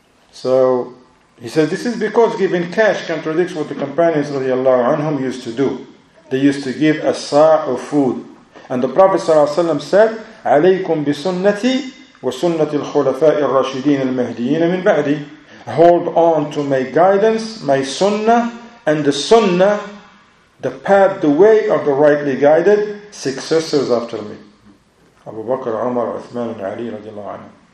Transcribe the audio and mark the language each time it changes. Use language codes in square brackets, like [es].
[en] So he says this is because giving cash contradicts what the companions radiallahu anhum used to do. They used to give a sa' of food. [ar] And the Prophet said, عليكم بسنتي وسنة الخلفاء الراشدين المهديين من بعدي. [en] Hold on to my guidance, my sunnah, and the sunnah, the path, the way of the rightly guided successors after me. Abu Bakr, Umar, Uthman, and Ali radiallahu anhum.